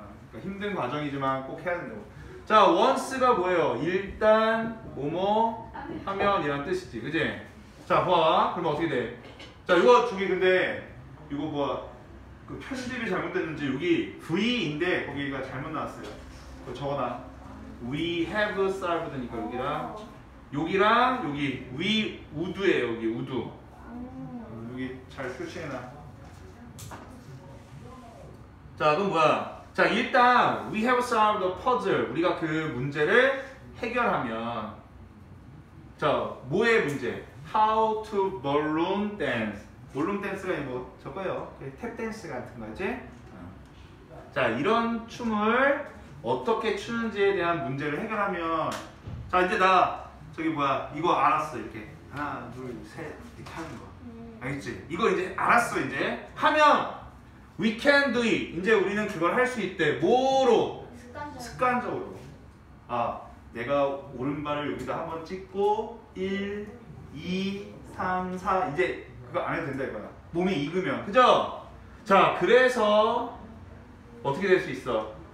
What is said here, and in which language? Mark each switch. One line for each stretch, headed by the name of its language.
Korean: 그러니까 힘든 과정이지만 꼭 해야 된다고. 자, once가 뭐예요? 일단 뭐뭐 하면 이란 뜻이지. 그치? 자, 봐. 그럼 어떻게 돼? 자, 이거 중에 근데 이거 뭐 그 편집이 잘못됐는지 여기 V인데 거기가 잘못 나왔어요. 그거 적어놔.
English: We have solved
Korean: 니까 여기랑 여기
English: We would예요.
Korean: 여기 would. 여기 잘 표시해놔. 자, 그럼 뭐야? 자, 일단
English: We have solved the puzzle.
Korean: 우리가 그 문제를 해결하면 자, 뭐의 문제?
English: How to balloon dance.
Korean: 볼룸 댄스가 뭐 저거요. 탭 댄스 같은 거지. 자, 이런 춤을 어떻게 추는지에 대한 문제를 해결하면 자, 이제 나 저기 뭐야 이거 알았어. 이렇게 하나 둘 셋 이렇게 하는 거 알겠지? 이거 이제 알았어. 이제 하면
English: we can do it.
Korean: 이제 우리는 그걸 할 수 있대. 뭐로? 습관적으로. 아, 내가 오른발을 여기다 한번 찍고 1, 2, 3, 4 이제 그거 안 해도 된다 이거야. 몸이 익으면. 그죠? 자, 그래서 어떻게 될 수 있어?